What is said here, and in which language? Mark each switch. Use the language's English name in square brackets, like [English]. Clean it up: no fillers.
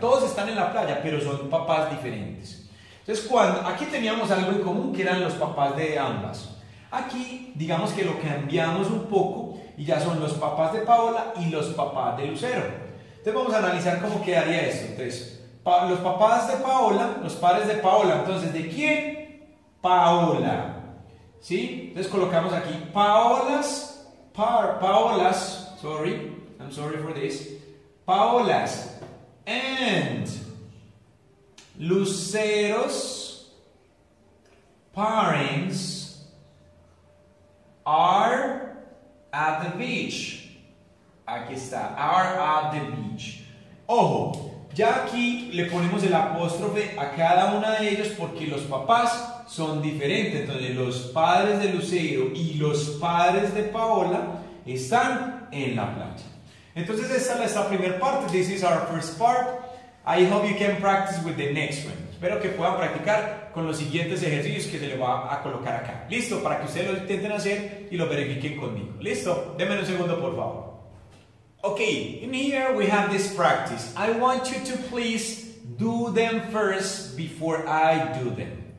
[Spanish] Todos están en la playa, pero son papás diferentes. Entonces, cuando aquí teníamos algo en común, que eran los papás de ambas. Aquí, digamos que lo cambiamos un poco y ya son los papás de Paola y los papás de Lucero. Entonces, vamos a analizar cómo quedaría esto. Entonces, los papás de Paola, los padres de Paola. Entonces, ¿de quién? Paola. ¿Sí? Entonces, colocamos aquí [English] Paola's and Lucero's parents are at the beach. [Spanish] Aquí está, [English] are at the beach. [Spanish] Ojo, ya aquí le ponemos el apóstrofe a cada una de ellos porque los papás son diferentes. Entonces, los padres de Lucero y los padres de Paola están en la playa. Entonces, esta es la primera parte. [English] This is our first part. [Spanish] I hope you can practice with the next one. Espero que puedan practicar con los siguientes ejercicios que se les va a colocar acá. ¿Listo? Para que ustedes lo intenten hacer y lo verifiquen conmigo. ¿Listo? Denme un segundo, por favor. [English] Okay, in here we have this practice. I want you to please do them first before I do them.